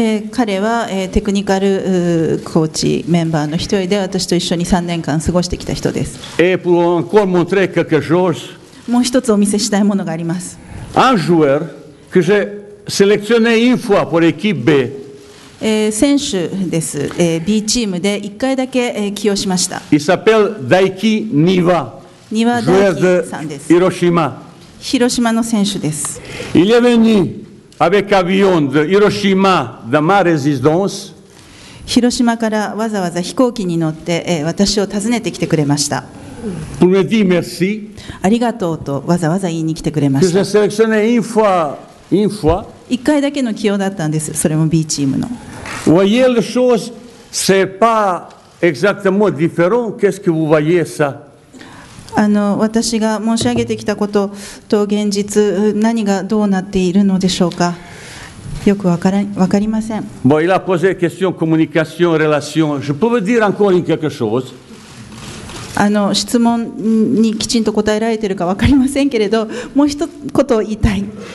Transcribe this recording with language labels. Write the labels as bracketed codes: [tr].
[ja] 彼は、テクニカルコーチメンバーの一人で私と一緒に3年間過ごしてきた人です。 [fr] Et pour encore montrer quelque chose. [ja] もう一つお見せしたいものがあります。 [fr] Un joueur que j'ai sélectionné une fois pour l'équipe B. [ja] 選手です、B チームで1回だけ、起用しました。 [fr] Il s'appelle Daiki Niwa. [ja] Niwa Daiki さんです。Hiroshima. 広島の選手です。 [fr] Il est venu avec avion de Hiroshima de ma résidence. [ja] 広島からわざわざ飛行機に乗って、私を訪ねてきてくれました。 [fr] Merci. [ja] ありがとうとわざわざ言いに来てくれました。一回だけの起用だったんです。それも B チームの。 [fr] Voyez les choses, c'est pas exactement différent. Qu'est-ce que vous voyez ça? [ja] 私が申し上げてきたことと現実何がどうなっているのでしょうか。よく分かりません。 [fr] Bon, il a posé question communication relation. Je peux vous dire encore quelque chose? [ja] 質問にきちんと答えられているか分かりませんけれど、もう一言言いたい。